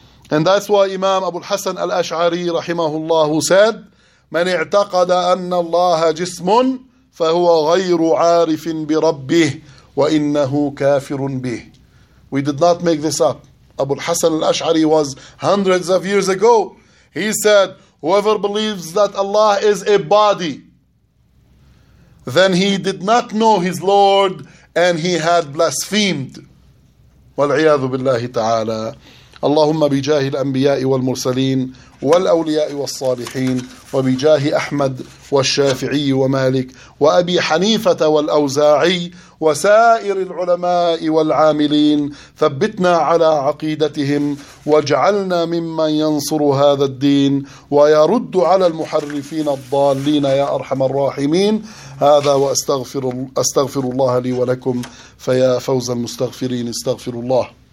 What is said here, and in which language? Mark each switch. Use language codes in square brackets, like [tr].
[en] And that's why Imam Abu al-Hasan al-Ash'ari rahimahullah said, [ar] من اعتقد أن الله جسم فهو غير عارف بربه وإنه كافر به. [en] We did not make this up. Abu al-Hasan al-Ash'ari was hundreds of years ago. He said, whoever believes that Allah is a body, then he did not know his Lord and he had blasphemed. [ar] وَالْعِيَاذُ بِاللَّهِ تَعَالَى اللَّهُمَّ بِجَاهِ الْأَنْبِيَاءِ وَالْمُرْسَلِينَ وَالْأَوْلِيَاءِ وَالصَّالِحِينَ وَبِجَاهِ أَحْمَدْ وَالشَّافِعِي وَمَالِكِ وَأَبِي حَنِيفَةَ وَالْأَوْزَاعِي وسائر العلماء والعاملين ثبتنا على عقيدتهم واجعلنا ممن ينصر هذا الدين ويرد على المحرفين الضالين يا أرحم الراحمين هذا وأستغفر الله لي ولكم فيا فوز المستغفرين استغفر الله